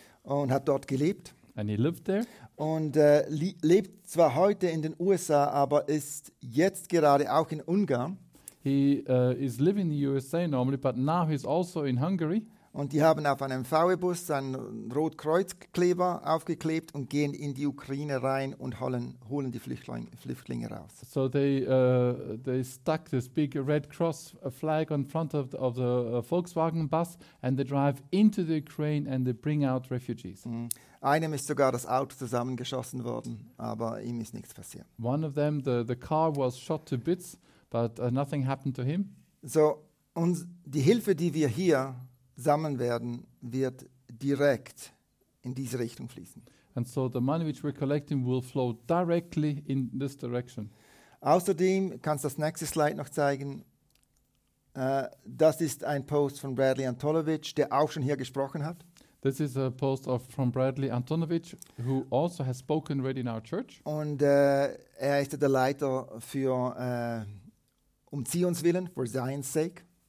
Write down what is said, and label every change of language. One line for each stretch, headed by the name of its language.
German: Und hat dort gelebt.
English: And he lived there.
German: Und lebt zwar heute in den USA, aber ist jetzt gerade auch in Ungarn.
English: He is living in the USA normally, but now he's also in Hungary.
German: Und die haben auf einem VW-Bus einen Rotkreuzkleber aufgeklebt und gehen in die Ukraine rein und holen die Flüchtlinge raus.
English: So they stuck this big red cross flag on front of the Volkswagen bus and they drive into the Ukraine and they bring out refugees. Mm.
German: Einem ist sogar das Auto zusammengeschossen worden, aber ihm ist nichts passiert.
English: One of them, the car was shot to bits, but nothing happened to him.
German: So, und die Hilfe, die wir hier sammeln werden, wird direkt in diese Richtung fließen.
English: And so the money which we're collecting will flow directly in this direction.
German: Außerdem, kannst du das nächste Slide noch zeigen, das ist ein Post von Bradley Antolovich, der auch schon hier gesprochen hat.
English: This is a post from Bradley Antonovich, who also has spoken already in our church.
German: Und er ist der Leiter für Zionswillen,
English: for Zion's sake.